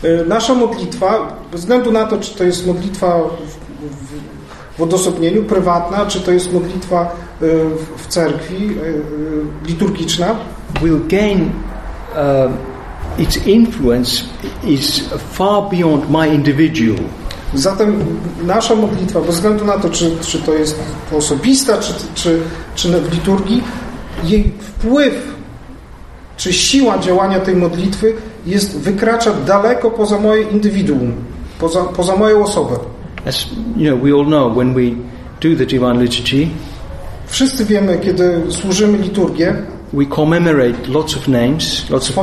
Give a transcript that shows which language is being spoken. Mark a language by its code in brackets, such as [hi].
[pl] Nasza modlitwa, bez względu na to, czy to jest modlitwa w odosobnieniu, prywatna, czy to jest modlitwa w cerkwi, liturgiczna, [en] will gain its influence is far beyond my individual. [pl] Zatem nasza modlitwa, bez względu na to, czy to jest osobista, czy w liturgii, jej wpływ, czy siła działania tej modlitwy jest, wykracza daleko poza moje indywiduum, poza moją osobę. [en] As you know, we all know when we do the divine liturgy. [pl] Wszyscy wiemy, kiedy służymy liturgię, [en] we commemorate lots of names, lots of people.